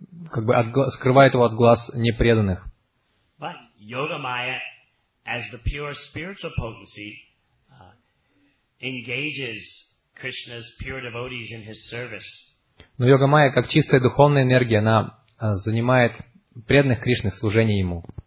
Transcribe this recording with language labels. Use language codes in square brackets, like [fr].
[ru] Как бы скрывает его от глаз непреданных. [en] But Yogamaya, as the pure spiritual potency, engages Krishna's pure devotees in his service. [ru] Но Йогамайя, как чистая духовная энергия, она занимает преданных Кришны в служении ему.